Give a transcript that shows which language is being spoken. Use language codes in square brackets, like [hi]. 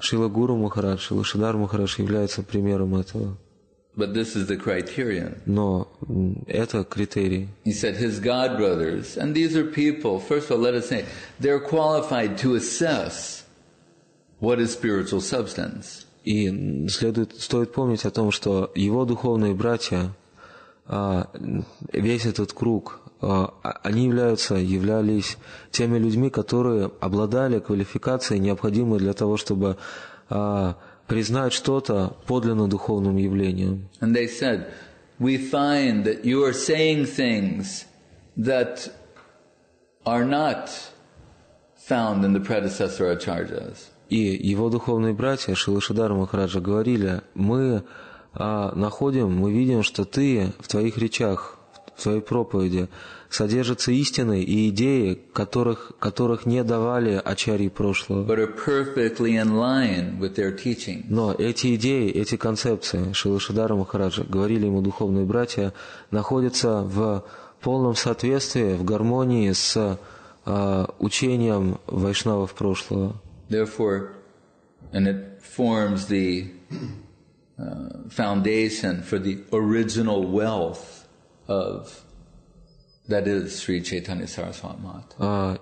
[ru] Srila Guru Maharaj, Srila Shridhar Maharaj является примером этого. [en] But this is the criterion. [ru] Но это критерий. [en] He said his god brothers, and these are people, first of all, let us say, they're qualified to assess what is spiritual substance. [ru] И стоит помнить о том, что его духовные братья, весь этот круг, они являлись теми людьми, которые обладали квалификацией, необходимой для того, чтобы признать что-то подлинно духовным явлением. [en] And they said, we find that you are saying things that are not found in the predecessor acharyas. [ru] И его духовные братья, Шрила Шридхар Махараджа, говорили, мы видим, что ты в твоих речах, в твоей проповеди содержатся истины и идеи, которых не давали ачарьи прошлого. Но эти идеи, эти концепции, Шрила Шридхар Махараджа, говорили ему духовные братья, находятся в полном соответствии, в гармонии с учением вайшнавов прошлого. [en] Therefore, and it forms the foundation for the original wealth of that is Sri Chaitanya Sarasvati Math.